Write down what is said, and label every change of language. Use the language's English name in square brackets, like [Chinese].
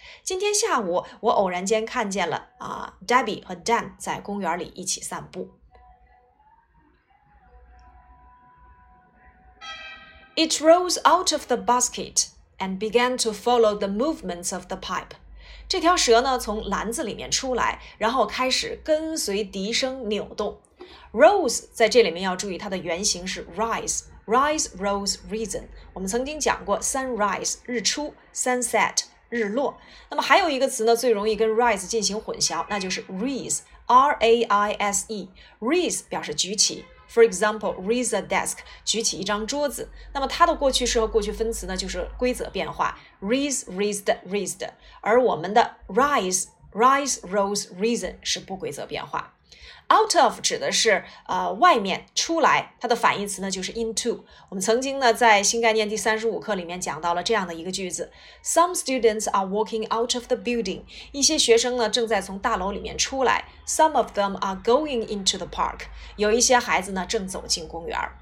[Chinese] 今天下午我偶然间看见了Debbie 和 Dan 在公园里一起散步。 [English] It rose out of the basket and began to follow the movements of the pipe. [Chinese] 这条蛇呢从篮子里面出来然后开始跟随笛声扭动。 Rose 在这里面要注意它的原型是 rise, rise, rose, risen. 我们曾经讲过 sunrise, 日出 sunset, 日落。那么还有一个词呢最容易跟 rise 进行混淆那就是 raise, R-A-I-S-E. Raise 表示举起。 [English] For example, raise a desk, [Chinese] 举起一张桌子。那么它的过去式和过去分词呢就是规则变化 raise, raised, raised。而我们的 rise, rise, rose, risen 是不规则变化。 Out of 指的是外面出来它的反义词呢就是 into。我们曾经呢在新概念第35课里面讲到了这样的一个句子。 [English] Some students are walking out of the building. [Chinese] 一些学生呢正在从大楼里面出来。 [English] Some of them are going into the park. [Chinese] 有一些孩子呢正走进公园。